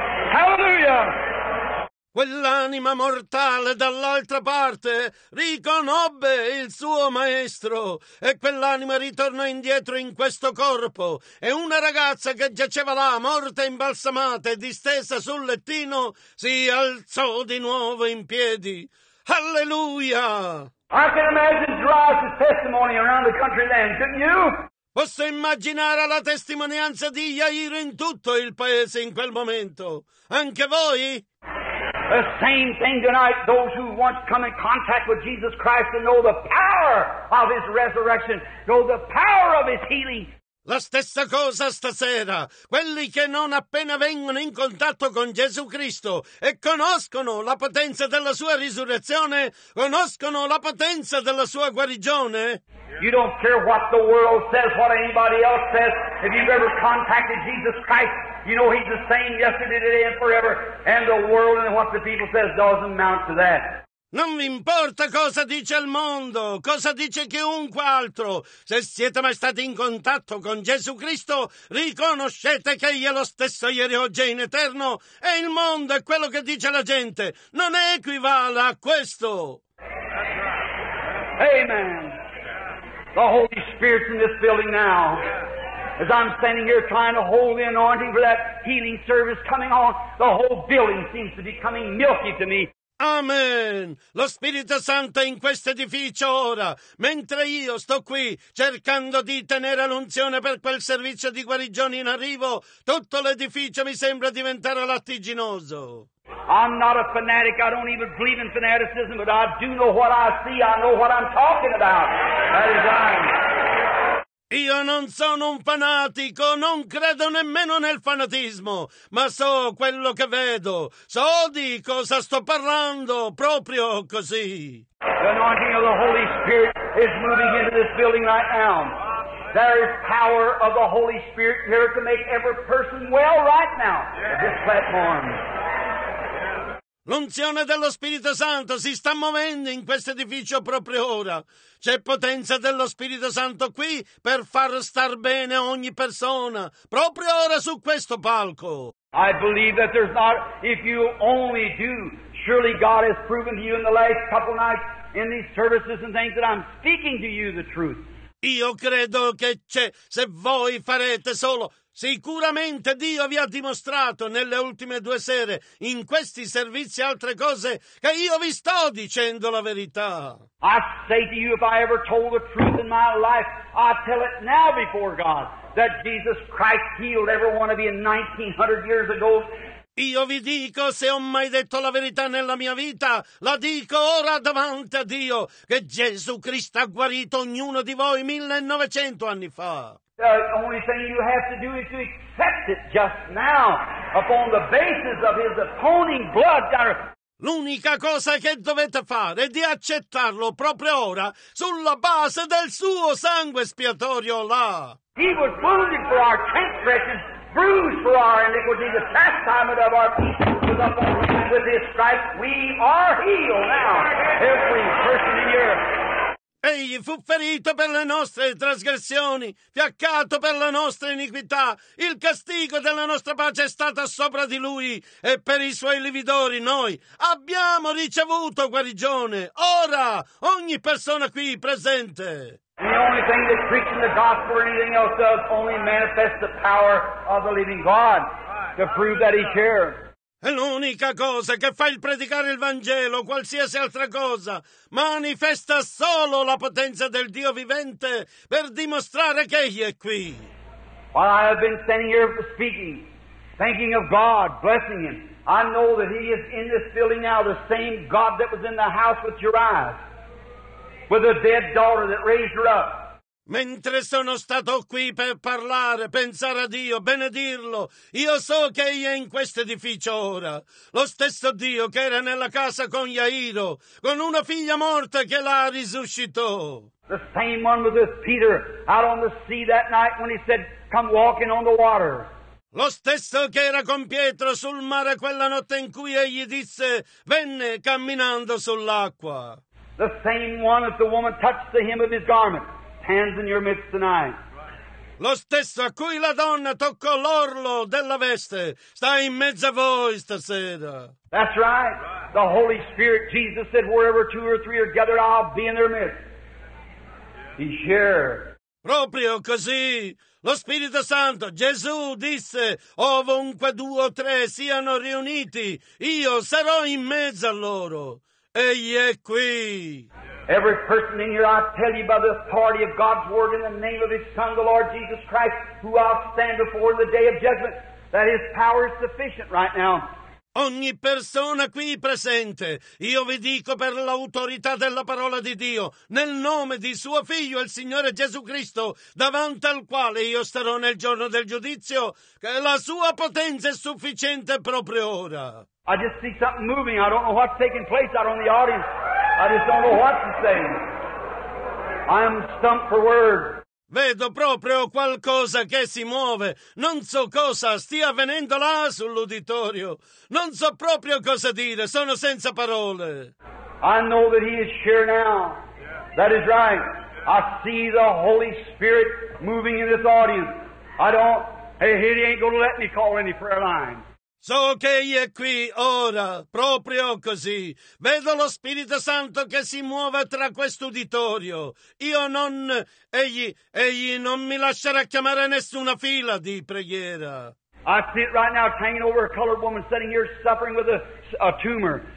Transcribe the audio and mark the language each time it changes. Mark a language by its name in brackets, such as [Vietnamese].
[English] Hallelujah! [Italian] Quell'anima mortale dall'altra parte riconobbe il suo maestro e quell'anima ritornò indietro in questo corpo e una ragazza che giaceva là morta imbalsamata e distesa sul lettino si alzò di nuovo in piedi. Alleluia! [English] I can imagine Drive's testimony around the country then, couldn't you? [Italian] Posso immaginare la testimonianza di Jairo in tutto il paese in quel momento. Anche voi? [English] The same thing tonight, those who once come in contact with Jesus Christ and know the power of His resurrection, know the power of His healing. [Italian] La stessa cosa stasera. Quelli che non appena vengono in contatto con Gesù Cristo e conoscono la potenza della sua risurrezione, conoscono la potenza della sua guarigione. [English] You don't care what the world says, what anybody else says. If you've ever contacted Jesus Christ, you know he's the same yesterday, today and forever. And the world and what the people says doesn't amount to that. [Italian] Non vi importa cosa dice il mondo, cosa dice chiunque altro. Se siete mai stati in contatto con Gesù Cristo, riconoscete che egli è lo stesso ieri, oggi e in eterno. E il mondo e quello che dice la gente non equivale a questo. Amen. [English] The Holy Spirit's in this building now. As I'm standing here trying to hold the anointing for that healing service coming on, the whole building seems to be coming milky to me. Amen. [Italian] Lo Spirito Santo è in questo edificio ora, mentre io sto qui cercando di tenere l'unzione per quel servizio di guarigione in arrivo, tutto l'edificio mi sembra diventare lattiginoso. [English] I'm not a fanatic, I don't even believe in fanaticism, but I do know what I see, I know what I'm talking about. That is I. [Italian] Io non sono un fanatico, non credo nemmeno nel fanatismo, ma so quello che vedo, so di cosa sto parlando, proprio così. [English] The anointing of the Holy Spirit is moving into this building right now. There is power of the Holy Spirit here to make every person well right now at this platform. [Italian] L'unzione dello Spirito Santo si sta muovendo in questo edificio proprio ora. C'è potenza dello Spirito Santo qui per far star bene ogni persona, proprio ora su questo palco. [English] I believe that there's not, if you only do, surely God has proven to you in the last couple nights in these services and things that I'm speaking to you the truth. [Italian] Io credo che c'è, se voi farete solo... Sicuramente Dio vi ha dimostrato nelle ultime due sere, in questi servizi e altre cose, che io vi sto dicendo la verità. [English] I say to you, if I ever told the truth in my life, I tell it now before God, that Jesus Christ healed every one of you 1900 years ago. [Italian] Io vi dico, se ho mai detto la verità nella mia vita, la dico ora davanti a Dio, che Gesù Cristo ha guarito ognuno di voi 1900 anni fa. [English] The only thing you have to do is to accept it just now upon the basis of his atoning blood. [Italian] L'unica cosa che dovete fare è di accettarlo proprio ora sulla base del suo sangue espiatorio là. [English] He was wounded for our transgressions, bruised for our iniquity, the chastisement of our peace was upon him. With his stripes we are healed now, every person in here. [Italian] Egli fu ferito per le nostre trasgressioni, fiaccato per la nostra iniquità. Il castigo della nostra pace è stato sopra di lui e per i suoi lividori noi abbiamo ricevuto guarigione. Ora, ogni persona qui presente. [English] The only thing that preaching the gospel or anything else does only manifests the power of the living God to prove that he's here. [Italian] È l'unica cosa che fa il predicare il Vangelo, qualsiasi altra cosa, manifesta solo la potenza del Dio vivente per dimostrare che egli è qui. [English] While I have been standing here speaking, thanking of God, blessing him, I know that he is in this building now, the same God that was in the house with Uriah, with a dead daughter that raised her up. [Italian] Mentre sono stato qui per parlare, pensare a Dio, benedirlo, io so che egli è in questo edificio ora. Lo stesso Dio che era nella casa con Jairo, con una figlia morta che la risuscitò. [English] The same one with Peter out on the sea that night when he said, come walking on the water. [Italian] Lo stesso che era con Pietro sul mare quella notte in cui egli disse, venne camminando sull'acqua. [English] The same one that the woman touched the hem of his garment. Hands in your midst tonight. [Italian] Lo stesso a cui la donna toccò l'orlo della veste sta in mezzo a voi stasera. [English] That's right. The Holy Spirit, Jesus said, wherever two or three are gathered, I'll be in their midst. He's here. [Italian] Proprio così. Lo Spirito Santo, Gesù, disse, ovunque due o tre siano riuniti, io sarò in mezzo a loro. Egli è qui. [English] Every person in here, I tell you by the authority of God's word in the name of his son, the Lord Jesus Christ, who I'll stand before in the day of judgment, that his power is sufficient right now. [Italian] Ogni persona qui presente, io vi dico per l'autorità della parola di Dio, nel nome di suo figlio, il Signore Gesù Cristo, davanti al quale io starò nel giorno del giudizio, che la sua potenza è sufficiente proprio ora. [English] I just see something moving. I don't know what's taking place out on the audience. I just don't know what to say. I am stumped for words. [Italian] Vedo proprio qualcosa che si muove. Non so cosa stia avvenendo là sull'uditorio. Non so proprio cosa dire. Sono senza parole. [English] I know that he is here now. That is right. I see the Holy Spirit moving in this audience. I don't... Hey, he ain't gonna let me call any prayer line. [Italian] So che egli è qui ora, proprio così. Vedo lo Spirito Santo che si muove tra quest'uditorio. Io non... Egli non mi lascerà chiamare nessuna fila di preghiera. [English] I see it right now hanging over a colored woman sitting here suffering with a tumor.